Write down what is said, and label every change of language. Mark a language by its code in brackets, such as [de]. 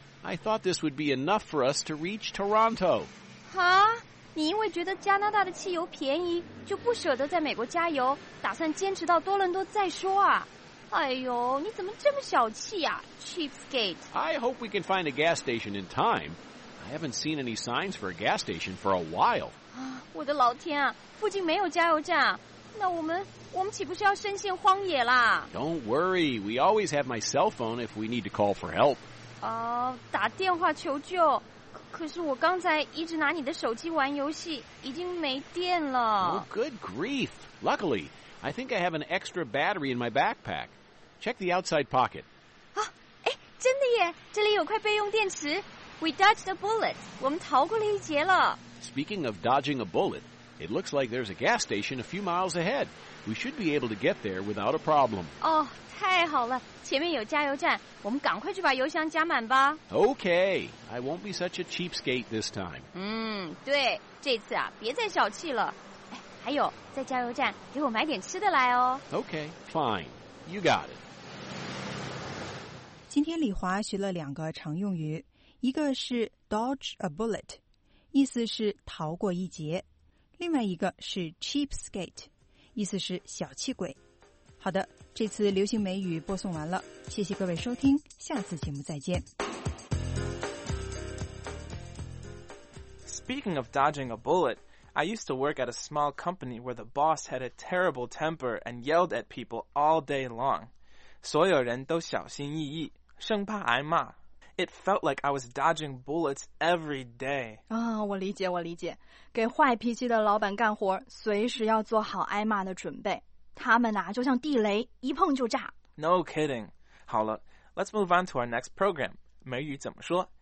[en] I thought this would be enough for us to reach Toronto. [zh] 哈，你因为觉得加拿大的汽油便宜，就不舍得在美国加油，打算坚持到多伦多再说啊？哎呦，你怎么这么小气呀 ，Cheapskate！ [en] I hope we can find a gas station in time. I haven't seen any signs for a gas station for a while. [zh] 我的老天啊，附近没有加油站，那我们岂不是要深陷荒野啦 [en] ？Don't worry, we always have my cell phone if we need to call for help. [zh] 打电话求救，可是我刚才一直拿你的手机玩游戏，已经没电了。 [en] Oh, good grief! Luckily, I think I have an extra battery in my backpack. Check the outside pocket. [zh] 啊，哎，真的耶，这里有块备用电池。 [en] We dodged a bullet. [zh] 我们逃过了一劫了。 [en] Speaking of dodging a bullet, it looks like there's a gas station a few miles ahead. We should be able to get there without a problem. [zh] Oh, 太好了，前面有加油站，我们赶快去把油箱加满吧。 [en] Okay, I won't be such a cheapskate this time. [zh] 对，这次啊，别再小气了。哎，还有，在加油站给我买点吃的来哦。 [en] Okay, fine. You got it. [zh] 今天李华学了两个常用语，一个是 dodge a bullet。意思是逃过一劫，另外一个是 cheapskate， 意思是小气鬼。好的，这次流行美语播送完了，谢谢各位收听，下次节目再见。 [en] Speaking of dodging a bullet, I used to work at a small company where the boss had a terrible temper and yelled at people all day long. [zh] 所有人都小心翼翼，生怕挨骂。 [en] It felt like I was dodging bullets every day. [zh] 啊、oh, ，我理解，我理解。给坏脾气的老板干活，随时要做好挨骂的准备。他们呐、啊，就像地雷，一碰就炸。 [en] No kidding. [zh] 好了 [en] ，Let's move on to our next program. [zh] 美语怎么说？